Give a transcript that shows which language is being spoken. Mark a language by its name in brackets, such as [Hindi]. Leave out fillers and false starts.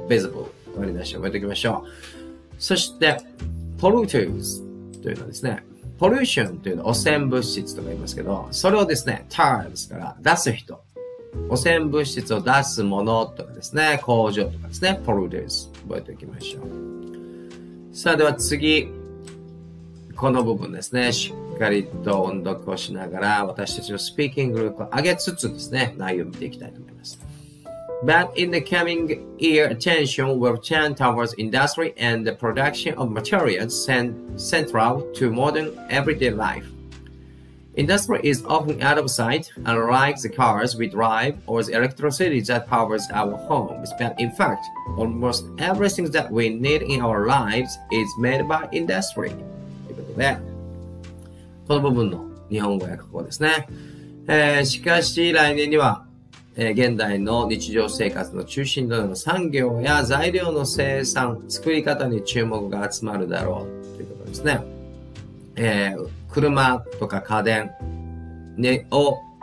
[Japanese] visible、 割り出して覚えておきましょう。そして polluters というのはですね、 pollution というのは汚染物質とか言いますけど、それをですね、 turns から出す人、汚染物質を出すものとかですね、工場とかですね、 polluters 覚えておきましょう。さあ、では次、この部分ですね、しっかりと音読をしながら、私たちのスピーキング力を上げつつですね、内容を見ていきたいと思います。 [English] But in the coming year, attention will turn towards industry and the production of materials central to modern everyday life. Industry is often out of sight, unlike the cars we drive or the electricity that powers our homes. But in fact, almost everything that we need in our lives is made by industry. [Japanese] ね、この部分の日本語訳ここですね、しかし来年には、現代の日常生活の中心となる産業や材料の生産作り方に注目が集まるだろうということですね、車とか家電を